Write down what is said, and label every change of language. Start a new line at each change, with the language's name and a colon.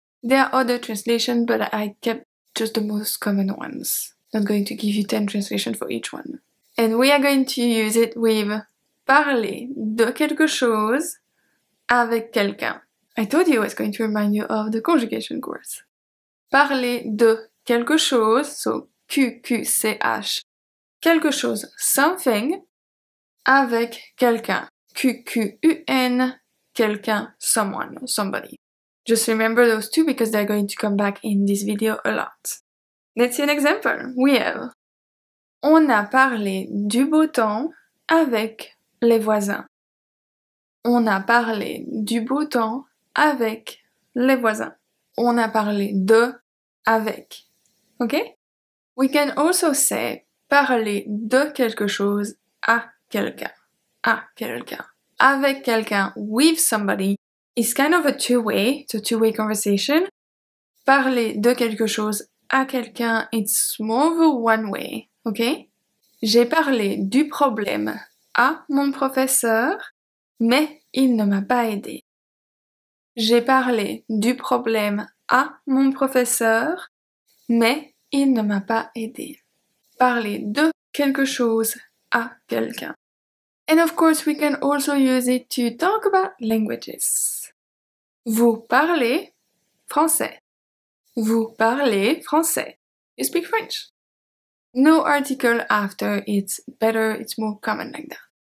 English: There are other translations, but I kept just the most common ones. Not going to give you 10 translations for each one. And we are going to use it with
French: parler de quelque chose avec quelqu'un.
English: I told you I was going to remind you of the conjugation course.
French: Parler de quelque chose, so QQCH, quelque chose, something, avec quelqu'un.
English: QQUN, quelqu'un, someone, somebody. Just remember those two because they're going to come back in this video a lot. Let's see an example. We have,
French: on a parlé du beau temps avec les voisins. On a parlé du beau temps avec les voisins. On a parlé de avec. Ok?
English: We can also say
French: parler de quelque chose à quelqu'un. À quelqu'un. Avec quelqu'un,
English: with somebody, is kind of a two-way, it's a two-way conversation.
French: Parler de quelque chose à quelqu'un,
English: it's more of a one-way. Ok?
French: J'ai parlé du problème à mon professeur, mais il ne m'a pas aidé. J'ai parlé du problème à mon professeur, mais il ne m'a pas aidé. Parler de quelque chose à quelqu'un.
English: And of course, we can also use it to talk about languages.
French: Vous parlez français. Vous parlez français.
English: You speak French. No article after, it's better, it's more common like that.